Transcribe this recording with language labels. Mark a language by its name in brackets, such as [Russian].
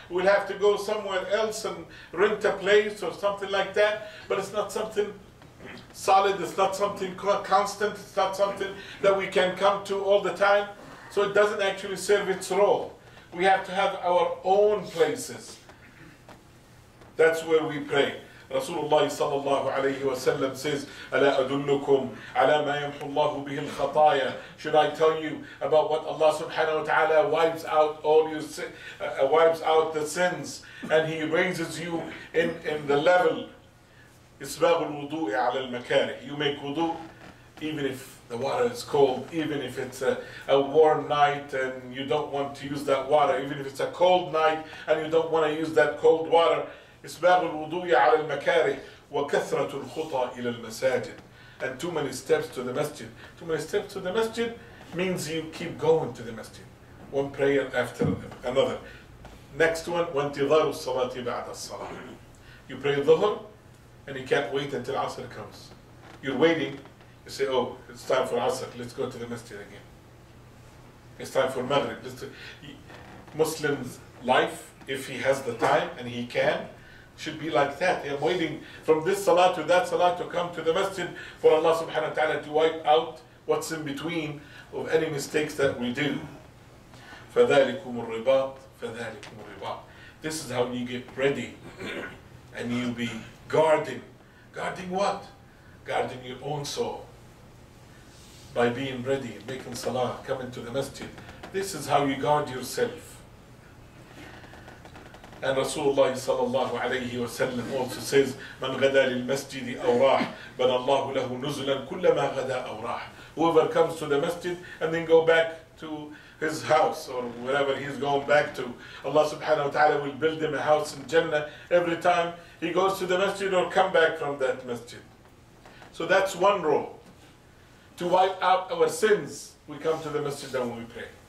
[English] We'd have to go somewhere else and rent a place or something like that. But it's not something solid, it's not something constant, it's not something that we can come to all the time. So it doesn't actually serve its role. We have to have our own places. That's where we pray. [Arabic] رسول الله صلى الله عليه وسلم [English] says, [Arabic] ألا أدلكم على ما يمحو الله به الخطايا. [English] Should I tell you about what Allah subhanahu wa ta'ala wipes out all your wipes out the sins and He raises you in the level. [Arabic] إسباغ الوضوء على المكاره. [English] You make wudu even if the water is cold, even if it's a warm night and you don't want to use that water, even if it's a cold night and you don't want to use that cold water. [Arabic] إسباغ الوضوء على المكاره وكثرة الخطى إلى المساجد. [English] And too many steps to the masjid. Too many steps to the masjid means you keep going to the masjid. One prayer after another. Next one, [Arabic] وانتظار الصلاة بعد الصلاة. [English] You pray الظهر and you can't wait until عصر comes. You're waiting. You say, oh, it's time for عصر. Let's go to the masjid again. It's time for Maghrib. Muslim's life, if he has the time and he can, should be like that. They are waiting from this salah to that salah to come to the masjid for Allah subhanahu wa ta'ala to wipe out what's in between of any mistakes that we do. [Arabic] فَذَلِكُمُ الرِّبَاطِ فَذَلِكُمُ الرِّبَاطِ. [English] This is how you get ready and you be guarding. Guarding what? Guarding your own soul. By being ready, making salah, coming to the masjid. This is how you guard yourself. And Rasulullah sallallahu alayhi wa sallam also says, [Arabic] من غدا للمسجد أوراح بنى الله له نزلا كلما غدا أوراح. [English] Whoever comes to the masjid and then go back to his house or wherever he's going back to, Allah subhanahu wa ta'ala will build him a house in Jannah every time he goes to the masjid or come back from that masjid. So that's one role. To wipe out our sins, we come to the masjid and we pray.